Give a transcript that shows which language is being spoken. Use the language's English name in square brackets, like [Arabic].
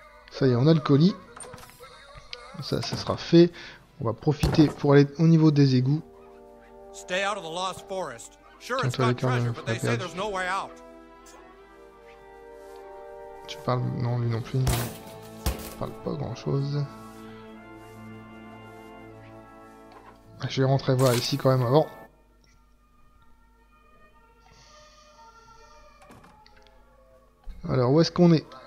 [French] Ça y est, on a le colis. Ça, ça sera fait. On va profiter pour aller au niveau des égouts. [English] Stay out of the lost forest. Sure, it's got treasure, but they say there's no way out. [French] Tu parles? Non, lui non plus. Il parle pas grand chose. Je vais rentrer voir ici quand même avant. Alors, où est-ce qu'on est?